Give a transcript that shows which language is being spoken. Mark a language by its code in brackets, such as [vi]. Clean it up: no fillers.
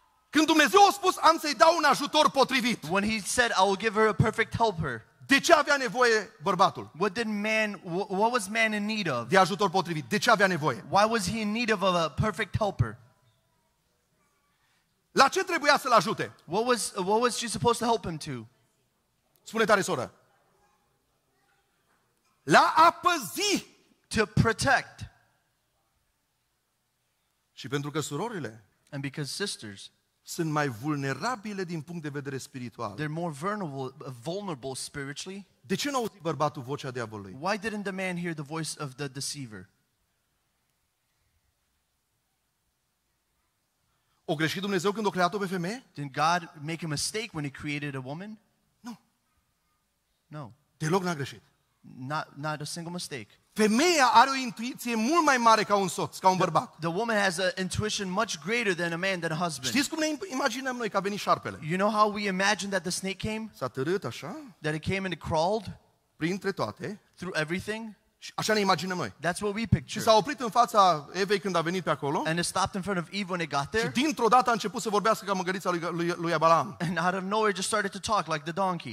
[ro] Când Dumnezeu a spus, am să-i dau un ajutor potrivit. [en] When he said, I will give her a perfect helper. [ro] De ce avea nevoie bărbatul? [en] What did man, what was man in need of? [ro] De ajutor potrivit. De ce avea nevoie? [en] Why was he in need of a perfect helper? [ro] La ce trebuia să-l ajute? [en] What was she supposed to help him to? [ro] Spune tare, soră. La a păzi. [en] To protect. [ro] Și pentru că surorile, [en] and because sisters, [ro] sunt mai vulnerabile din punct de vedere spiritual. [en] They're more vulnerable spiritually. [ro] De ce nu auzi bărbatul vocea diavolului? [en] Why didn't the man hear the voice of the deceiver? [ro] O greșit Dumnezeu când a creat-o pe femeie? [en] Did God make a mistake when he created a woman? [ro] Nu. [en] No. [ro] Deloc n-a greșit. [en] Not a single mistake. [ro] Femeia are o intuiție mult mai mare ca un soț, ca un bărbat. [en] The woman has an intuition much greater than a man, than a husband. [ro] Știți cum ne imaginăm noi că a venit șarpele? [en] You know how we imagine that the snake came? [ro] S-a târât așa? [en] That it came and it crawled? [ro] Printre toate. [en] Through everything? [ro] Așa ne imaginăm noi. [en] That's what we picture. [ro] Și s-a oprit în fața Evei când a venit pe acolo. [en] And it stopped in front of Eve when it got there. [ro] Și dintr-o dată a început să vorbească ca măgărița lui Balaam. [en] And out of nowhere just started to talk like the donkey.